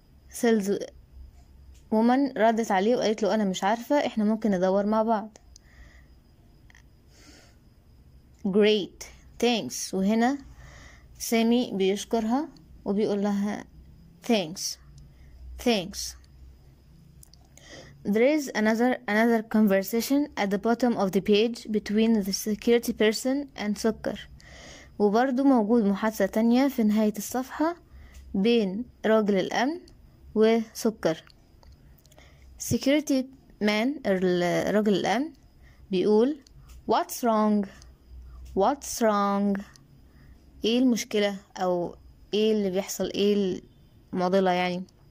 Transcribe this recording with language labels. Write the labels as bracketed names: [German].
[English] Saleswoman [Arabic] ردت عليه وقالت له: أنا مش عارفة. إحنا ممكن ندور مع بعض. [English] Great. Thanks. [Arabic] وهنا سامي بيشكرها وبيقول لها: Thanks. [English] Thanks. There is another conversation at the bottom of the page between the security person and Sukkar. [Arabic] وبرضو موجود محادثة تانية في نهاية الصفحة بين راجل الأمن وسكر. [English] Security man, [Arabic] راجل الأمن, بيقول: [English] What's wrong? What's wrong? [Arabic] ايه المشكلة او ايه اللي بيحصل, ايه المعضلة يعني.